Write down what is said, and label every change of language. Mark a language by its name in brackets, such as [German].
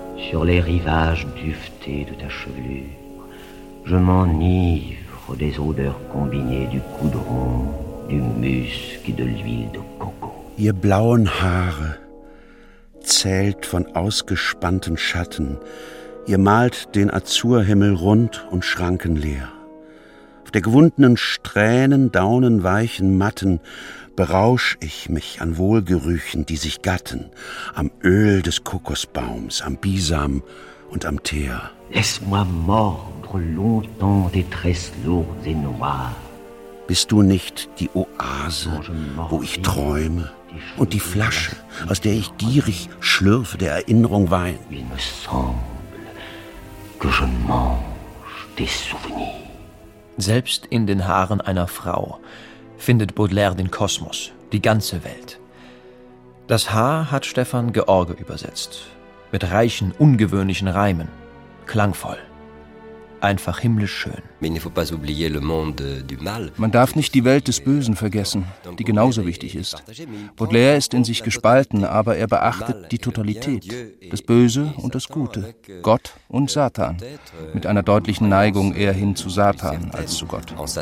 [French] Sur les rivages duvetés de ta chevelure, je m'enivre des odeurs combinées du coudron, du musc et de l'huile de coco. [German] Ihr blauen Haare zählt von ausgespannten Schatten. Ihr malt den Azurhimmel rund und schrankenleer. Auf der gewundenen Strähnen daunenweichen Matten berausch ich mich an Wohlgerüchen, die sich gatten, am Öl des Kokosbaums, am Bisam und am Teer. [French] Laisse-moi mordre longtemps des tresses lourdes et noires. [German] Bist du nicht die Oase, wo ich träume? Und die Flasche, aus der ich gierig schlürfe, der Erinnerung Wein? [French] Il me semble. Que je mange des souvenirs. [German] Selbst in den Haaren einer Frau findet Baudelaire den Kosmos, die ganze Welt. Das Haar hat Stefan George übersetzt, mit reichen, ungewöhnlichen Reimen, klangvoll, einfach himmlisch schön. [French] Mais il ne faut pas oublier le monde du mal. [German] Man darf nicht die Welt des Bösen vergessen, die genauso wichtig ist. Baudelaire ist in sich gespalten, aber er beachtet die Totalität, das Böse und das Gute, Gott und Satan, mit einer deutlichen Neigung eher hin zu Satan als zu Gott.